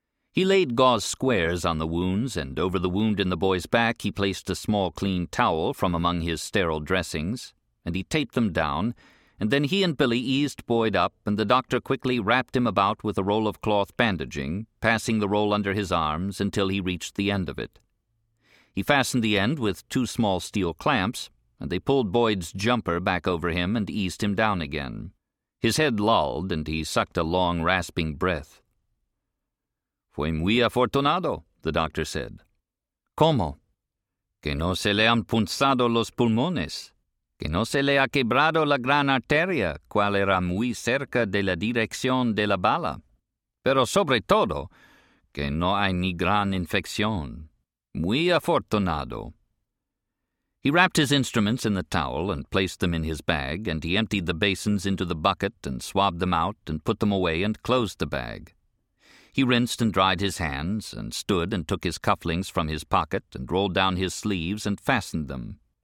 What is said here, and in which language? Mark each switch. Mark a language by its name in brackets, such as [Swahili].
[English] He laid gauze squares on the wounds, and over the wound in the boy's back he placed a small clean towel from among his sterile dressings, and he taped them down, and then he and Billy eased Boyd up, and the doctor quickly wrapped him about with a roll of cloth bandaging, passing the roll under his arms until he reached the end of it. He fastened the end with two small steel clamps, and they pulled Boyd's jumper back over him and eased him down again. His head lolled, and he sucked a long, rasping breath. [Spanish] Fue muy afortunado, [English] the doctor said. [Spanish] ¿Cómo? Que no se le han punzado los pulmones. Que no se le ha quebrado la gran arteria, cual era muy cerca de la dirección de la bala. Pero sobre todo, que no hay ni gran infección. Muy afortunado. [English] He wrapped his instruments in the towel and placed them in his bag, and he emptied the basins into the bucket and swabbed them out and put them away and closed the bag. He rinsed and dried his hands, and stood and took his cufflinks from his pocket and rolled down his sleeves and fastened them.